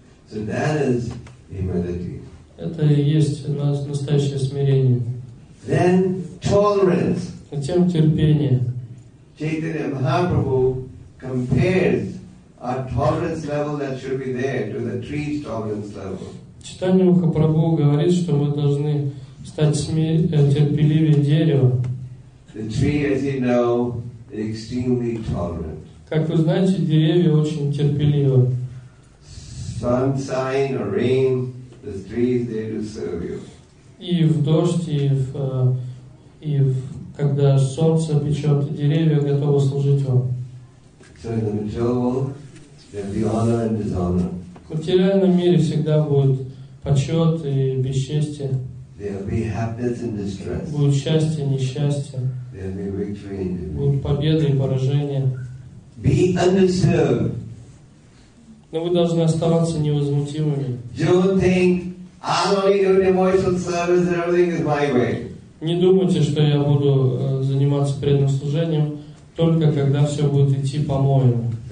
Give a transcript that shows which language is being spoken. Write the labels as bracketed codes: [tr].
[ru] Это и есть у нас настоящее смирение. [en] Then tolerance. [ru] Затем терпение. [en] Chaitanya Mahaprabhu compares our tolerance level that should be there to the tree's tolerance level. [ru] Chaitanya Mahaprabhu говорит, что мы должны стать терпеливее дерева. [en] The tree, as you know, is extremely tolerant. [ru] Как вы знаете, деревья очень терпеливы. [en] Sunshine or rain. The tree is there to serve you. [ru] И в дождь, и в когда солнце печет, деревья готовы служить вам. [en] So in the material world, there'll be honor and dishonor. [ru] В материальном мире всегда будет почет и бесчестие. [en] There'll be happiness and distress. [ru] Будет счастье и несчастье. [en] There'll be victory and defeat. [ru] Будут победы и поражения. [en] Be undisturbed. [ru] Но вы должны оставаться невозмутимыми. Не думайте, что я буду заниматься преданным служением только когда все будет идти по-моему.